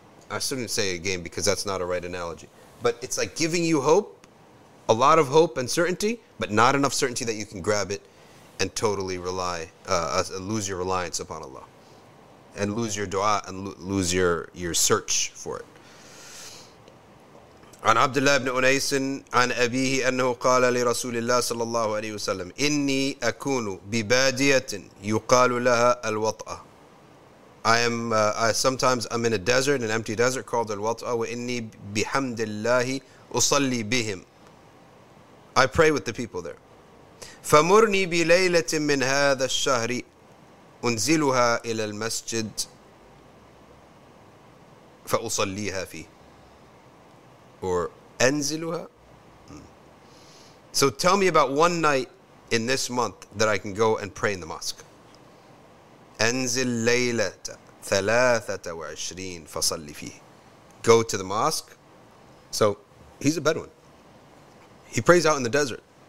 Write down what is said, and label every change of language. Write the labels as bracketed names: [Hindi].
[English] I shouldn't say a game because that's not a right analogy. But it's like giving you hope, a lot of hope and certainty, but not enough certainty that you can grab it and totally rely, lose your reliance upon Allah. And lose your dua and lose your search for it. [Arabic] عن عبد الله بن أنيس عن أبيه أنه قال لرسول الله صلى الله عليه وسلم إني أكون ببادية يقال لها الوطأ. [English] Sometimes I'm in a desert, an empty desert called الوطأ. [Arabic] وإني بحمد الله أصلي بهم. [English] I pray with the people there. [Arabic] فمرني بليلة من هذا الشهر أنزلها إلى المسجد فأصليها فيه. [English] Or enziluha. So tell me about one night in this month that I can go and pray in the mosque. [Arabic] Enzil laylata thalathata wa ashreen fasalli fihi. [English] Go to the mosque. So he's a Bedouin. He prays out in the desert.